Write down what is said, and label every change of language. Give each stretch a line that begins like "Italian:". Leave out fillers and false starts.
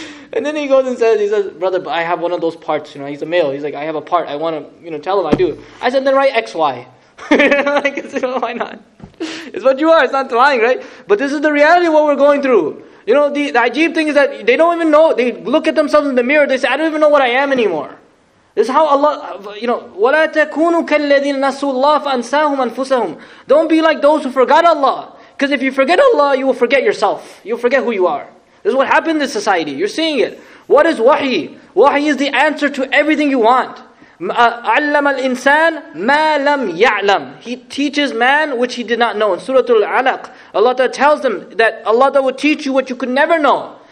English: And then he goes and says, brother, but I have one of those parts, you know, he's a male. He's like, I have a part, I want to, you know, tell him I do. I said, then write XY. Like, why not? It's what you are, it's not lying, right? But this is the reality of what we're going through. You know, the ajeeb thing is that they don't even know. They look at themselves in the mirror. They say, I don't even know what I am anymore. This is how Allah, you know,
Arabic: وَلَا تَكُونُوا كَالَّذِينَ نَسُوا اللَّهَ فَأَنْسَاهُمْ أَنفُسَهُمْ.
English: Don't be like those who forgot Allah. Because if you forget Allah, you will forget yourself. You will forget who you are. This is what happened in this society. You're seeing it. What is wahi? Wahi is the answer to everything you want.
Arabic: عَلَّمَ الْإِنسَانَ مَا لَمْ يَعْلَمْ.
English: He teaches man which he did not know. In Surah Al-Alaq, Allah Ta'ala tells him that Allah Ta'ala will teach you what you could never know.